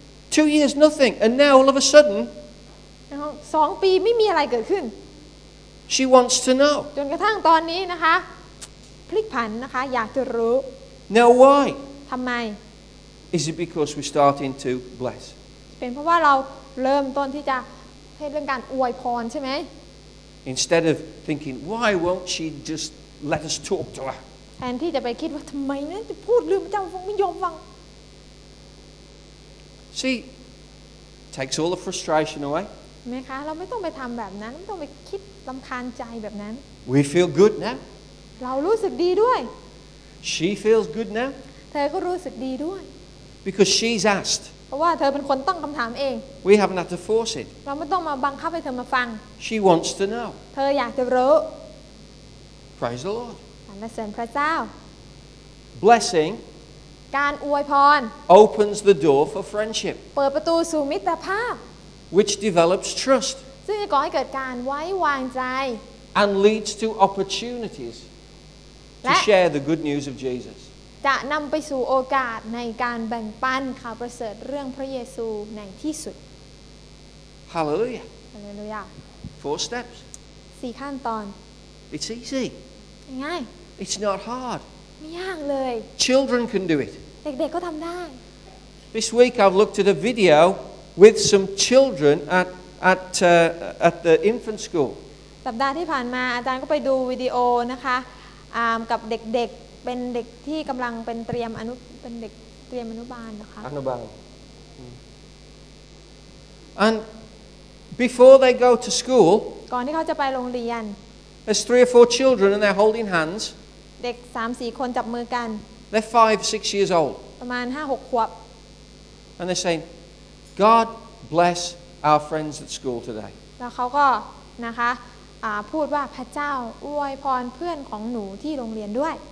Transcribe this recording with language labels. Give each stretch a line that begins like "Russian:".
English: 2 years nothing and now all of a sudden
Thai: 2ปีไม่มีอะไรเกิดขึ้น
English: She wants to know
Thai: จนกระทั่งตอนนี้นะคะพลิกผันนะคะอยากจะรู้
English: Now why
Thai: ทำไม
English: Is it because we're starting to bless
Thai: เป็นเพราะว่าเราเริ่มต้นที่จะเทศเรื่องการอวยพรใช่ไหม
English: Instead of thinking why won't she just let us talk to her
Thai: แทนที่จะไปคิดว่าทำไมนะจะพูดลืมพระเจ้าฟังไม่ยอมฟัง
English: See, takes all the frustration away.
Thai: ไหมคะเราไม่ต้องไปทำแบบนั้นไม่ต้องไปคิดรำคาญใจแบบนั้น
English: We feel good now.
Thai: เรารู้สึกดีด้วย
English: She feels good now.
Thai: เธอก็รู้สึกดีด้วย
English: Because she's asked.
Thai: เพราะว่าเธอเป็นคนตั้งคำถามเอง
English: We haven't had to force it.
Thai: เราไม่ต้องมาบังคับให้เธอมาฟัง
English: She wants to know.
Thai: เธออยากจะรู้
English: Praise the Lord.
Thai: สรรเสริญพระเจ้า
English: Blessing.
Thai: การอวยพร
English: opens the door for friendship
Thai: เปิดประตูสู่มิตรภาพ
English: which develops trust
Thai: ซึ่งจะก่อให้เกิดการไว้วางใจ
English: and leads to opportunities to share the good news of Jesus
Thai: จะนำไปสู่โอกาสในการแบ่งปันข่าวประเสริฐเรื่องพระเยซูในที่สุด
English: Hallelujah Hallelujah 4 steps
Thai: 4ขั้นตอน
English: It's easy
Thai: ง่าย
English: It's not hard
Thai: ไม่ยากเลย
English: Children can do it.
Thai: เด็กๆก็ทำได้
English: This week I've looked at a video with some children at the infant school.
Thai: สัปดาห์ที่ผ่านมาอาจารย์ก็ไปดูวิดีโอนะคะกับเด็กๆเป็นเด็กที่กำลังเป็นเตรียมอนุเป็นเด็กเตรียมอนุบาลนะคะ
English: อนุบาล And before they go to school,
Thai: ก่อนที่เขาจะไปโรงเรียน
English: there's 3 or 4 children and they're holding hands.
Thai: เด็ก 3-4 คนจับมือกัน
English: They're 5-6 years old
Thai: ประมาณ 5-6 ขวบ
English: And they're saying God bless our friends at school today
Thai: แล้วเขาก็นะคะพูดว่าพระเจ้าอวยพรเพื่อนของหนูที่โรงเรียนด้วย